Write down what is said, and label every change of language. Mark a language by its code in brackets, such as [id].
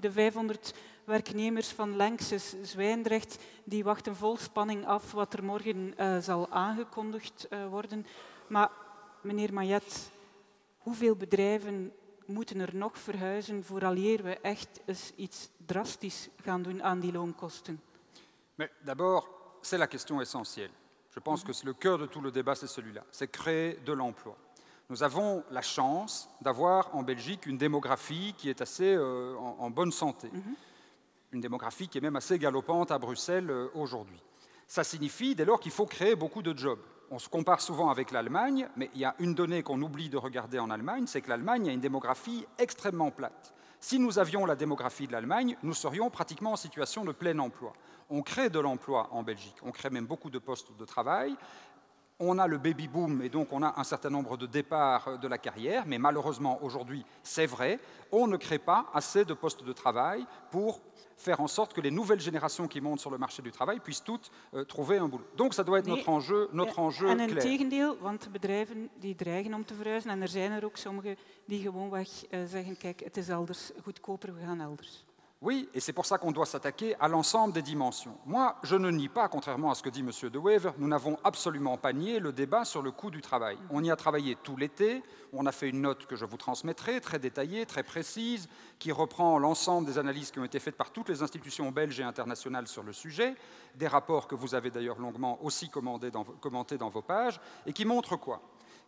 [nl] De 500 werknemers van Lanxess Zwijndrecht die wachten vol spanning af wat er morgen zal aangekondigd worden. Maar meneer Mayet, hoeveel bedrijven moeten er nog verhuizen vooraleer we echt eens iets drastisch gaan doen aan die loonkosten? [fr] Mais d'abord, c'est la question essentielle. Je pense que c'est le cœur de tout le débat, c'est celui-là. C'est créer de l'emploi. Nous avons la chance d'avoir en Belgique une démographie qui est assez en bonne santé. Une démographie qui est même assez galopante à Bruxelles aujourd'hui. Ça signifie dès lors qu'il faut créer beaucoup de jobs. On se compare souvent avec l'Allemagne, mais il y a une donnée qu'on oublie de regarder en Allemagne, c'est que l'Allemagne a une démographie extrêmement plate. Si nous avions la démographie de l'Allemagne, nous serions pratiquement en situation de plein emploi. On crée de l'emploi en Belgique, on crée même beaucoup de postes de travail. On a le baby boom et donc on a un certain nombre de départs de la carrière, mais malheureusement aujourd'hui, c'est vrai, on ne crée pas assez de postes de travail pour faire en sorte que les nouvelles générations qui montent sur le marché du travail puissent toutes trouver un boulot. Donc ça doit être notre enjeu clair. [nl] En tegendeel, want de bedrijven die dreigen om te verhuizen en er zijn er ook sommige die gewoonweg zeggen kijk, het is elders goedkoper, we gaan elders. [fr] Oui, et c'est pour ça qu'on doit s'attaquer à l'ensemble des dimensions. Moi, je ne nie pas, contrairement à ce que dit M. De Wever, nous n'avons absolument pas nié le débat sur le coût du travail. On y a travaillé tout l'été, on a fait une note que je vous transmettrai, très détaillée, très précise, qui reprend l'ensemble des analyses qui ont été faites par toutes les institutions belges et internationales sur le sujet, des rapports que vous avez d'ailleurs longuement aussi commentés dans vos pages, et qui montrent quoi ?